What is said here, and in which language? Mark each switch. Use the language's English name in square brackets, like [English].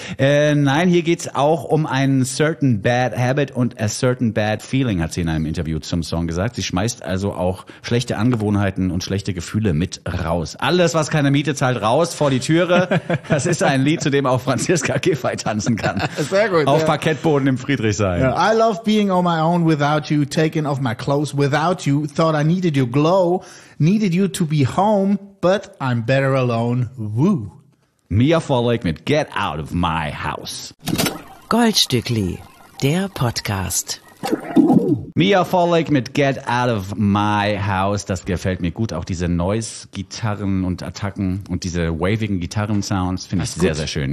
[German] Nein, hier geht's auch um einen [English] certain bad habit [German] und [English] a certain bad feeling, [German] hat sie in einem Interview zum Song gesagt. Sie schmeißt also auch schlechte Angewohnheiten und schlechte Gefühle mit raus. Alles, was keine Miete zahlt, raus vor die Türe. Das ist ein Lied, zu dem auch Franziska Giffey tanzen kann. Sehr gut. Auf Parkettboden im Friedrichshain. Yeah. [English] I love being on my own without you, taking off my clothes without you. Thought I needed your glow, needed you to be home, but I'm better alone. Woo. [German] Mia Follick mit Get Out of My House. Goldstückli. der Podcast. Mia Forlake mit Get Out of My House. Das gefällt mir gut. Auch diese Noise-Gitarren und Attacken und diese wavigen Gitarren-Sounds finde ich sehr, sehr schön.